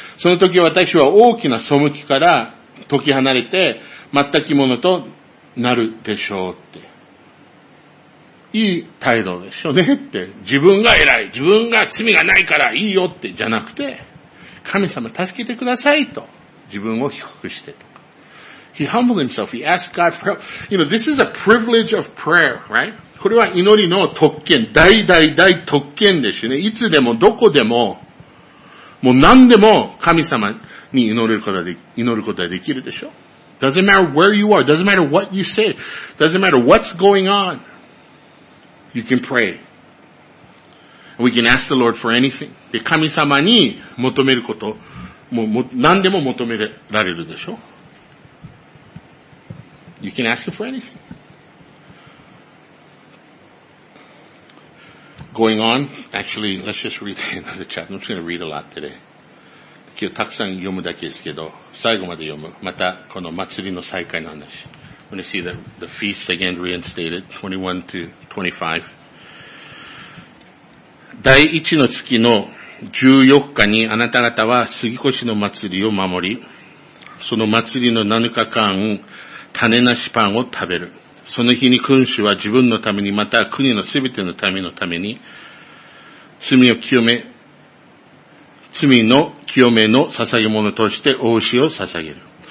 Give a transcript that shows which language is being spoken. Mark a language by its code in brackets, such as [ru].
[ja] その時私は大きな背きから解き離れて全き者となるでしょうって、いい態度でしょうねって。自分が偉い。自分が罪がないからいいよって、じゃなくて、神様助けてくださいと。自分を低くしてとか。 [en] He humbled himself. He asked God for help. You know, this is a privilege of prayer, right? [ja] これは祈りの特権。大特権ですよね。いつでも、どこでも、もう何でも神様に祈ることができるでしょう。 [en] Doesn't matter where you are. Doesn't matter what you say. Doesn't matter what's going on. You can pray. We can ask the Lord for anything. [ja] で、神様に求めること、もう何でも求められるでしょ。 [en] You can ask Him for anything. Going on, actually, let's just read the end of the chapter. I'm just going to read a lot today. [ja] 今日たくさん読むだけですけど、最後まで読む。またこの祭りの再開の話。 [en] When you see the feast again reinstated, 21 to 25. [ja] 第1の月の14日にあなた方は杉越の祭りを守り、その祭りの7日間、種なしパンを食べる。その日に君主は自分のために、また国のすべての民のために、罪の清めの捧げ物としてお牛を捧げる。